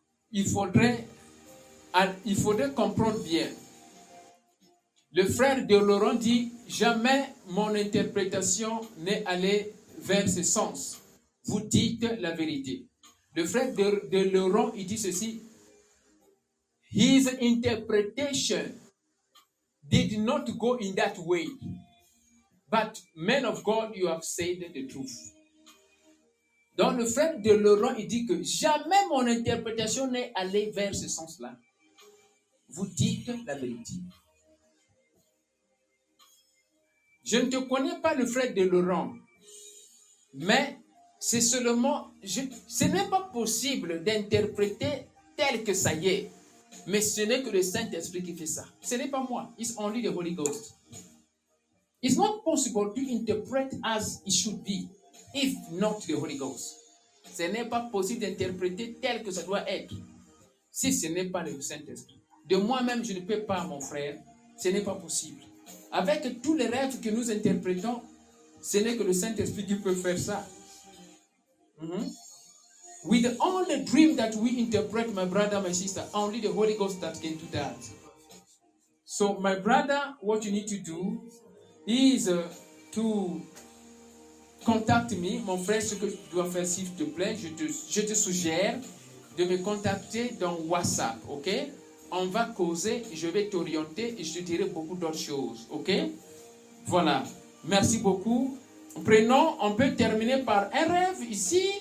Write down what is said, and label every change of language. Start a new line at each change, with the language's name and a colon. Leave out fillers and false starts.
French: Il faudrait comprendre bien. Le frère de Laurent dit, jamais mon interprétation n'est allée vers ce sens. Vous dites la vérité. Le frère de Laurent, il dit ceci.
English: His interpretation did not go in that way. But, man of God, you have said the truth.
French: Donc, le frère de Laurent, il dit que jamais mon interprétation n'est allée vers ce sens-là. Vous dites la vérité. Je ne te connais pas, le frère de Laurent, mais c'est seulement, ce n'est pas possible d'interpréter tel que ça y est, mais ce n'est que le Saint-Esprit qui fait ça. Ce n'est pas moi.
English: It's only the Holy Ghost. It's not possible to interpret as it should be, if not the Holy Ghost.
French: Ce n'est pas possible d'interpréter tel que ça doit être, si ce n'est pas le Saint-Esprit. De moi-même, je ne peux pas, mon frère. Ce n'est pas possible. Avec tous les rêves que nous interprétons, ce n'est que le Saint-Esprit qui peut faire ça.
English: With all the dream that we interpret, my brother, my sister, only the Holy Ghost that can do that. So, my brother, what you need to do is to contact me.
French: Mon frère, ce que tu dois faire, s'il te plaît, je te suggère de me contacter dans WhatsApp, ok? On va causer, je vais t'orienter et je te dirai beaucoup d'autres choses, ok? Voilà, merci beaucoup. Prenons, on peut terminer par un rêve ici.